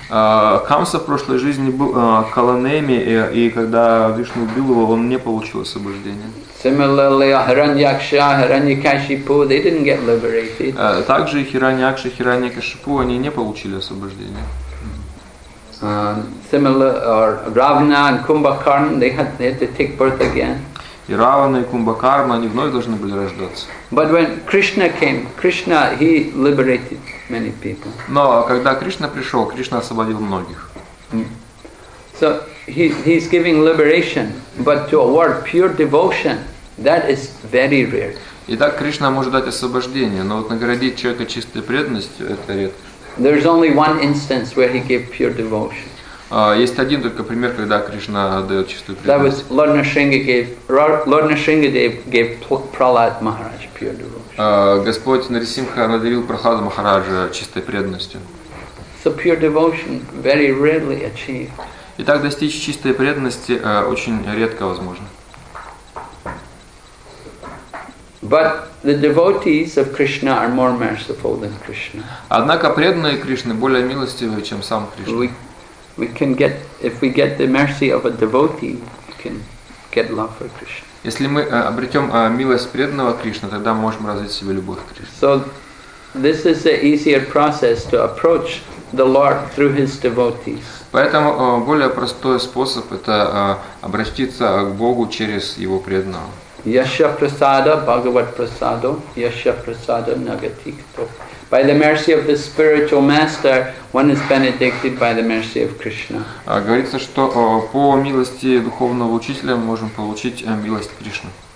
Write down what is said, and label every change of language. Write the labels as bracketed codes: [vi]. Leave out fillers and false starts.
[ru] Камса в прошлой жизни был Каланеми, и когда Вишну убил его, он не получил освобождения. [en] Similarly, Hiranyaksha, Hiranyakashipu, they didn't get liberated. [ru] Также и Хираньякша, Хираньякашипу, они не получили освобождения. [en] Similar, or Ravana and Kumbhakarna, they had to take birth again. [ru] И Равана и Кумбакарна, они вновь должны были рождаться. [en] But when Krishna came, Krishna, he liberated many people. [ru] Но когда Кришна пришел, Кришна освободил многих. [en] So he's giving liberation, but to award pure devotion, that is very rare. [ru] Итак, Кришна может дать освобождение, но вот наградить человека чистой преданностью – это редко. [en] There is only one instance where he gave pure devotion. [ru] Есть один только пример, когда Кришна дает чистую преданность. [en] That was Lord Narsingha gave. Lord Narsingha gave Prahlad Maharaj pure devotion. [ru] Господь Нарисимха одарил Прахлада Махараджа чистой преданностью. [en] So pure devotion very rarely achieved. [ru] Итак, достичь чистой преданности очень редко возможно. [en] But the devotees of Krishna are more merciful than Krishna. [ru] Однако преданные Кришны более милостивы, чем сам Кришна. [en] We can get, if we get the mercy of a devotee, we can get love for Krishna. [ru] Если мы обретем милость преданного Кришны, тогда мы можем развить в себе любовь к Кришне. [en] So this is an easier process to approach the Lord through His devotees. [ru] Поэтому более простой способ – это обратиться к Богу через Его преданного. [sa] Yasya prasada bhagavat prasado, yasya prasada nagatikto. [en] By the mercy of the spiritual master, one is benedicted by the mercy of Krishna. [ru] Говорится, что по милости духовного учителя мы можем получить милость Кришны.